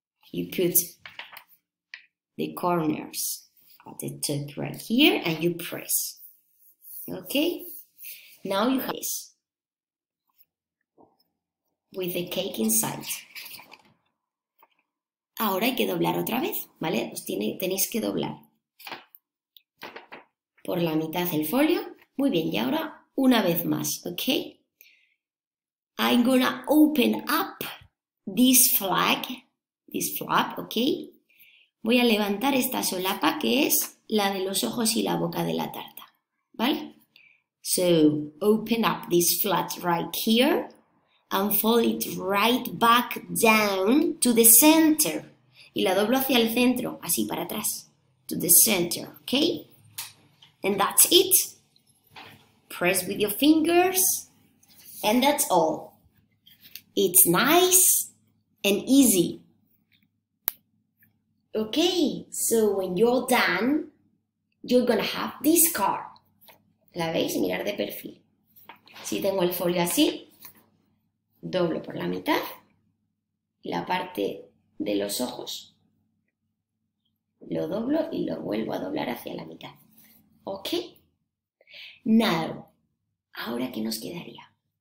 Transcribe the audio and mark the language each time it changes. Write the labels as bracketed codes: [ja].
[en] You put the corners at the top right here and you press. Okay, now you have this with the cake inside. [es] Ahora hay que doblar otra vez, ¿vale? Tenéis que doblar por la mitad el folio. Muy bien, y ahora una vez más, okay? I'm gonna open up this flag, ¿ok? Voy a levantar esta solapa que es la de los ojos y la boca de la tarta, ¿vale? [en] So, open up this flag right here and fold it right back down to the center. [es] Y la doblo hacia el centro, así para atrás. [en] To the center, ¿ok? And that's it. Press with your fingers. And that's all. It's nice and easy. Okay, so when you're done, you're gonna have this card. [es] ¿La veis? Mirar de perfil. Si tengo el folio así, doblo por la mitad. La parte de los ojos, lo doblo y lo vuelvo a doblar hacia la mitad. Okay. Now, ¿ahora qué nos quedaría?